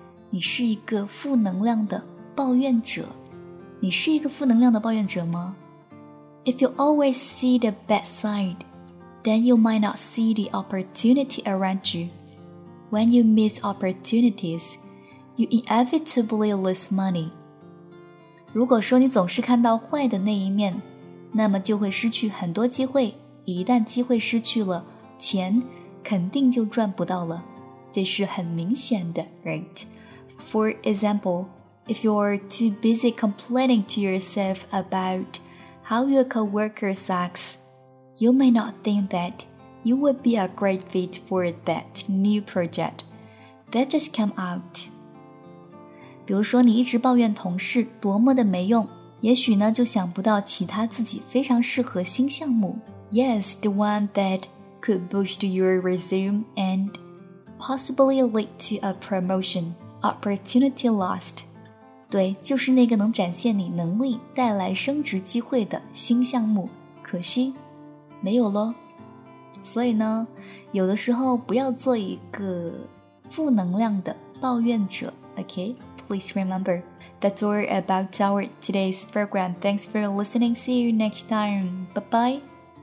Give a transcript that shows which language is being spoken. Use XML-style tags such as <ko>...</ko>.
<zh>你是一个负能量的抱怨者。你是一个负能量的抱怨者吗？</zh> <en>If you always see the bad side, then you might not see the opportunity around you. When you miss opportunities, you inevitably lose money.</en> <zh>如果说你总是看到坏的那一面，那么就会失去很多机会。一旦机会失去了，钱肯定就赚不到了。这是很明显的 ，</zh> <en>right? For example, if you're too busy complaining to yourself about how your coworker sucks, you may not think that. You would be a great fit for that new project that just came out.</en> <zh>比如说你一直抱怨同事多么的没用，也许呢就想不到其他自己非常适合新项目。</zh> <en>Yes, the one that could boost your resume and possibly lead to a promotion, opportunity lost.</en> <zh>对，就是那个能展现你能力带来升职机会的新项目，可惜没有咯。所以呢，有的时候不要做一个负能量的抱怨者。</zh> <en>Okay, please remember. That's all about our today's program. Thanks for listening. See you next time. Bye-bye.</en>